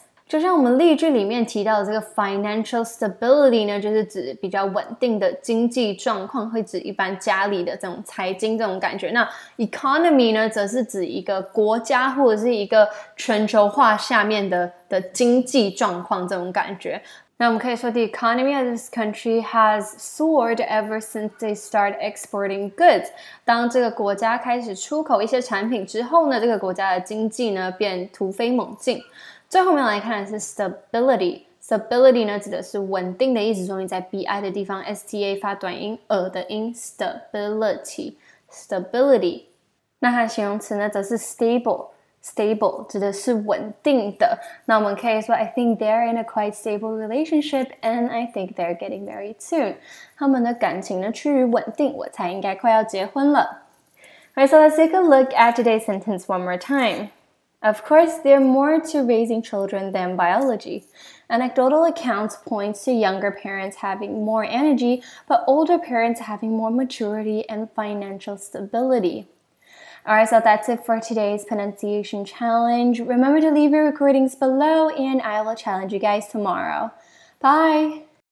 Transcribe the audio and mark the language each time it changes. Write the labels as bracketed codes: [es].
[zh] 就像我们例句里面提到的这个 financial stability 呢，就是指比较稳定的经济状况，会指一般家里的这种财经这种感觉。那 economy 呢，则是指一个国家或者是一个全球化下面的经济状况这种感觉。那我们可以说 [en] the economy of this country has soared ever since they start exporting goods. [zh] 当这个国家开始出口一些产品之后呢，这个国家的经济呢便突飞猛进。最后面来看的是 stability。stability 呢指的是稳定的意思，重音在 bi 的地方 ，sta 发短音的音 ，stability。stability。那它的形容词呢则是 stable。Stable 指的是稳定的。那我们可以说 [en] I think they're in a quite stable relationship and I think they're getting married soon. [zh] 他们的感情呢趋于稳定，我猜应该快要结婚了。 [en] Alright, so let's take a look at today's sentence one more time. Of course, there are more to raising children than biology. Anecdotal accounts point to younger parents having more energy, but older parents having more maturity and financial stability. Alright, so that's it for today's pronunciation challenge. Remember to leave your recordings below and I will challenge you guys tomorrow. Bye!